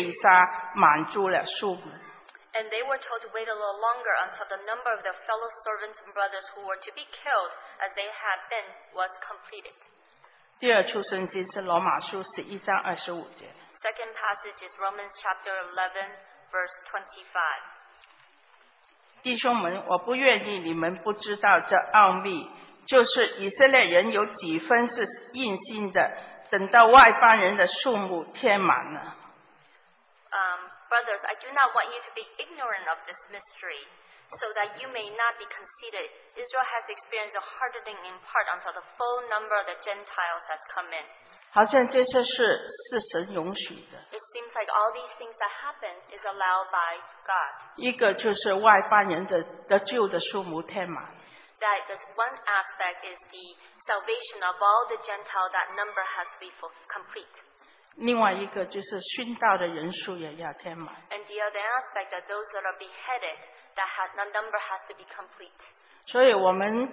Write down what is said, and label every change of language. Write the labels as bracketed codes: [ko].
[zh] 又有话对他们说，还要安息片时，等着一同做仆人的和他们的弟兄也向他们被杀，满足了数目。 [en] And they were told to wait a little longer until the number of their fellow servants and brothers who were to be killed as they had been was completed. [zh] 第二处圣经是罗马书11章25节。 [en] Second passage is Romans chapter 11, verse 25. [zh] 弟兄们，我不愿意你们不知道这奥秘，就是以色列人有几分是硬心的，等到外邦人的数目填满了。 [en] Brothers, I do not want you to be ignorant of this mystery, so that you may not be conceited. Israel has experienced a hardening in part until the full number of the Gentiles has come in. [zh] 好像这些事是神允许的。 [en] It seems like all these things that happen is allowed by God. [zh] 一个就是外邦人的救的数目填满。 [en] That this one aspect is the salvation of all the Gentiles, that number has to be complete. [zh] 另外一个就是殉道的人数也要填满。 [en] And the other aspect that those that are beheaded, that has the number has to be complete.